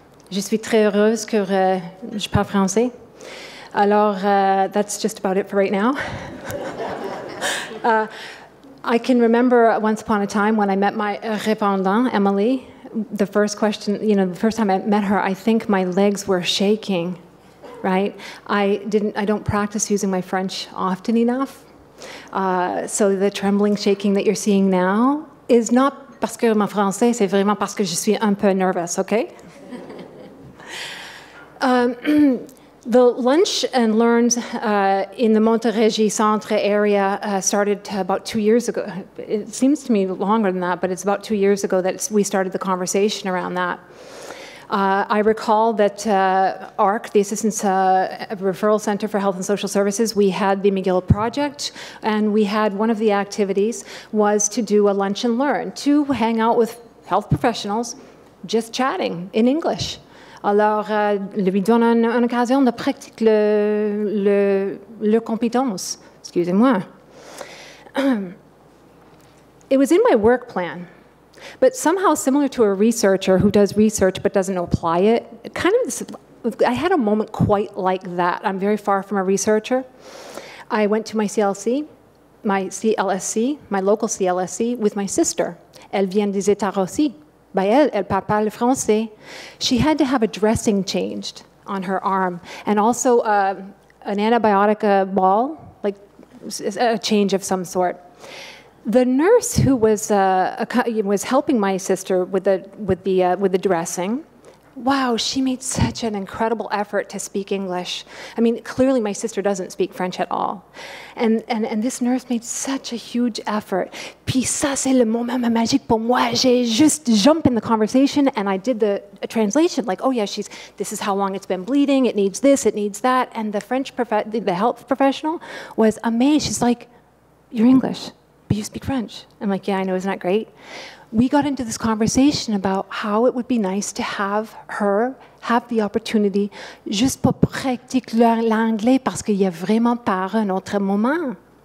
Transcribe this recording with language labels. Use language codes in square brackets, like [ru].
[fr] Je suis très heureuse que je parle français. [en] Alors, that's just about it for right now. I can remember once upon a time when I met my répondant, Emily. The first question, you know, the first time I met her, I think my legs were shaking, right? I don't practice using my French often enough. So the trembling, shaking that you're seeing now is not [fr] parce que ma français, c'est vraiment parce que je suis un peu [en] nervous, okay? The lunch and learns in the Montérégie-Centre area started about 2 years ago. It seems to me longer than that, but it's about 2 years ago that we started the conversation around that. I recall that ARC, the Assistance Referral Center for Health and Social Services, we had the McGill project, and we had one of the activities was to do a lunch and learn, to hang out with health professionals, just chatting in English. [fr] Alors, lui donne une occasion de pratiquer le compétence. Excusez-moi. [en] It was in my work plan, but somehow similar to a researcher who does research but doesn't apply it, kind of, I had a moment quite like that. I'm very far from a researcher. I went to my local CLSC, with my sister. [fr] Elle vient des États aussi. By elle parle le français. [en] She had to have a dressing changed on her arm, and also an antibiotic ball, like a change of some sort. The nurse who was helping my sister with the dressing, wow, she made such an incredible effort to speak English. I mean, clearly my sister doesn't speak French at all. And this nurse made such a huge effort. [fr] Puis ça, c'est le moment magique pour moi. J'ai juste [en] jump in the conversation and I did a translation. Like, oh yeah, this is how long it's been bleeding. It needs this, it needs that. And the French, the health professional was amazed. She's like, you're English, but you speak French. I'm like, yeah, I know, isn't that great? We got into this conversation about how it would be nice to have her have the opportunity just [fr] pour pratiquer l'anglais parce qu'il y a vraiment pas un autre moment.